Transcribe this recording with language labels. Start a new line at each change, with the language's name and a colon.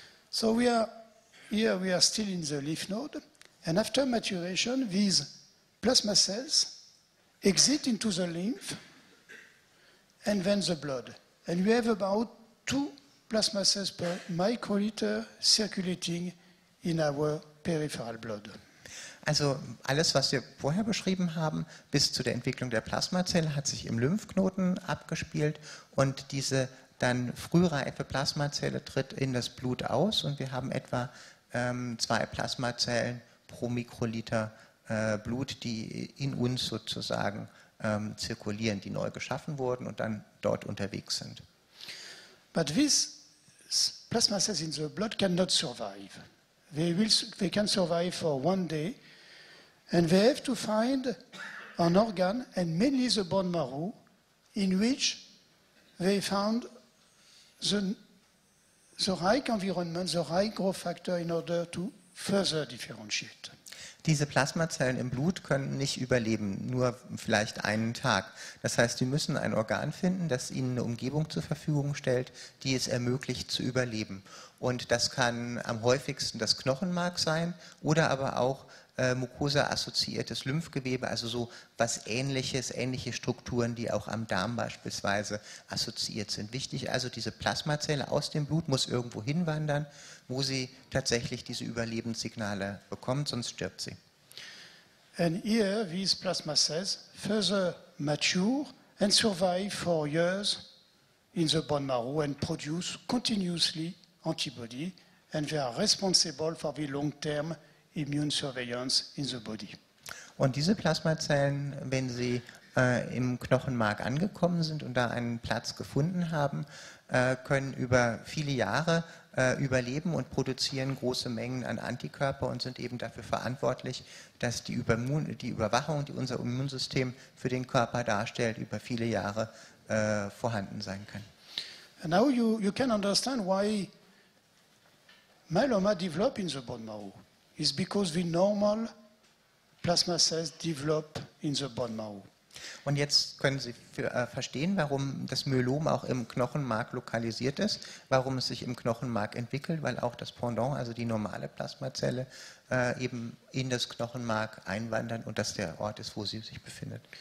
English: So we are still in the lymph node. And after maturation, these plasma cells exit into the lymph and then the blood. And we have about 2 plasma cells per microliter circulating in our peripheral blood.
German: Also alles, was wir vorher beschrieben haben, bis zu der Entwicklung der Plasmazelle, hat sich im Lymphknoten abgespielt und diese dann frühreife Plasmazelle tritt in das Blut aus und wir haben etwa 2 Plasmazellen pro Mikroliter Blut, die in uns sozusagen zirkulieren, die neu geschaffen wurden und dann dort unterwegs sind.
English: But these plasma cells in the blood cannot survive. They can survive for one day, and they have to find an organ, and mainly the bone marrow, in which they found the right environment, the right growth factor in order to further differentiate.
German: Diese Plasmazellen im Blut können nicht überleben, nur vielleicht einen Tag. Das heißt, sie müssen ein Organ finden, das ihnen eine Umgebung zur Verfügung stellt, die es ermöglicht zu überleben. Und das kann am häufigsten das Knochenmark sein oder aber auch mucosa-assoziiertes Lymphgewebe, also so was Ähnliches, ähnliche Strukturen, die auch am Darm beispielsweise assoziiert sind. Wichtig, also diese Plasmazelle aus dem Blut muss irgendwo hinwandern, wo sie tatsächlich diese Überlebenssignale bekommt, sonst stirbt sie.
English: And here these plasma cells further mature and survive for years in the bone marrow and produce continuously antibody and they are responsible for the long-term immune surveillance in the body.
German: Und diese Plasmazellen, wenn sie im Knochenmark angekommen sind und da einen Platz gefunden haben, können über viele Jahre überleben und produzieren große Mengen an Antikörper und sind eben dafür verantwortlich, dass die Überwachung, die unser Immunsystem für den Körper darstellt, über viele Jahre vorhanden sein kann.
English: And now you can understand why myeloma develop in the bone marrow. It's because the normal plasma cells develop in the bone marrow.
German: Und jetzt können Sie verstehen, warum das Myelom auch im Knochenmark lokalisiert ist, warum es sich im Knochenmark entwickelt, weil auch das Pendant, also die normale Plasmazelle, eben in das Knochenmark einwandern und das der Ort ist, wo sie sich befindet.